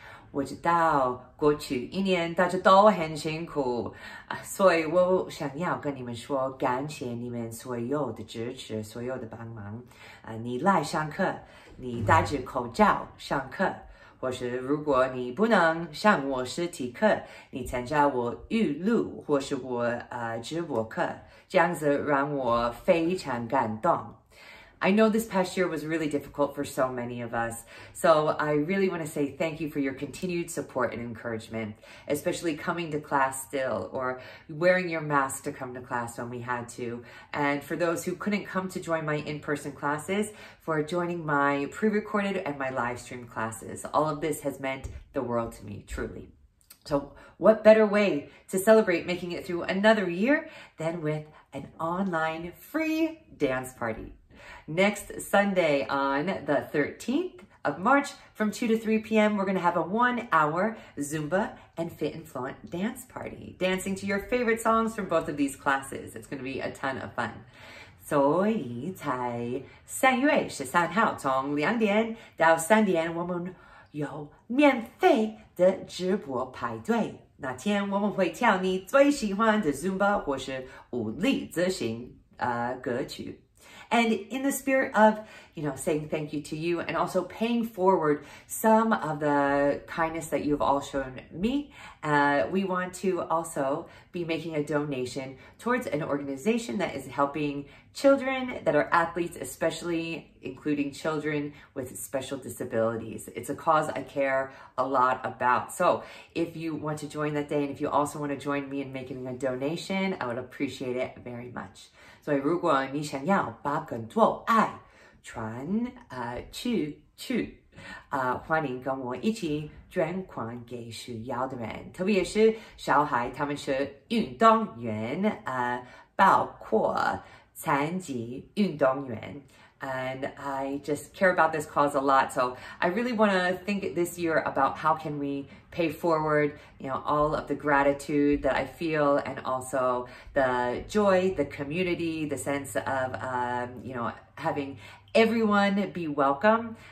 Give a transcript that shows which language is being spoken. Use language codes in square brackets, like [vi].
[zh] 我知道过去一年大家都很辛苦，所以我想要跟你们说，感谢你们所有的支持，所有的帮忙。你来上课，你戴着口罩上课，或是如果你不能上我实体课，你参加我预录或是我直播课，这样子让我非常感动。 [en] I know this past year was really difficult for so many of us, so I really want to say thank you for your continued support and encouragement, especially coming to class still, or wearing your mask to come to class when we had to, and for those who couldn't come to join my in-person classes, for joining my pre-recorded and my livestream classes. All of this has meant the world to me, truly. So what better way to celebrate making it through another year than with an online free dance party? Next Sunday on the 13th of March from 2 to 3 p.m., we're going to have a one-hour Zumba and Fit and Flaunt dance party, dancing to your favorite songs from both of these classes. It's going to be a ton of fun. [zh] 所以在3月13号从2点到3点我们有免费的直播派对。那天我们会跳你最喜欢的 Zumba 或是舞力执行歌曲。 [en] And in the spirit of, you know, saying thank you to you and also paying forward some of the kindness that you've all shown me, we want to also be making a donation towards an organization that is helping children that are athletes, especially including children with special disabilities. It's a cause I care a lot about. So if you want to join that day and if you also want to join me in making a donation, I would appreciate it very much. [zh] 所以如果你想要把更多爱传出去，欢迎跟我一起捐款给需要的人，特别是小孩，他们是运动员，包括残疾运动员。 [en] And I just care about this cause a lot. So I really want to think this year about how can we pay forward, you know, all of the gratitude that I feel and also the joy, the community, the sense of, you know, having everyone be welcome.